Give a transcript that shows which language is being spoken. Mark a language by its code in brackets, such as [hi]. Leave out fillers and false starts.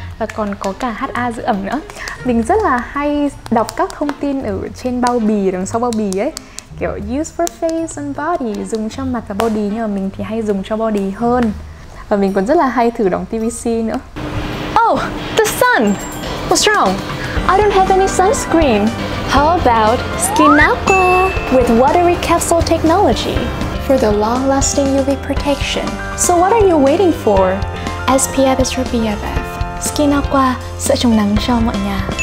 [vi] Và còn có cả HA giữ ẩm nữa. Mình rất là hay đọc các thông tin ở trên bao bì, đằng sau bao bì ấy, kiểu [en] use for face and body, [vi] dùng cho mặt và body, nhưng mà mình thì hay dùng cho body hơn. Và mình còn rất là hay thử đóng PVC nữa. [en] Oh, the sun! What's wrong? I don't have any sunscreen. How about Skinawa with watery capsule technology for the long-lasting UV protection? So what are you waiting for? SPF is your BFF. [vi] Skinawa, sữa chống nắng cho mọi nhà.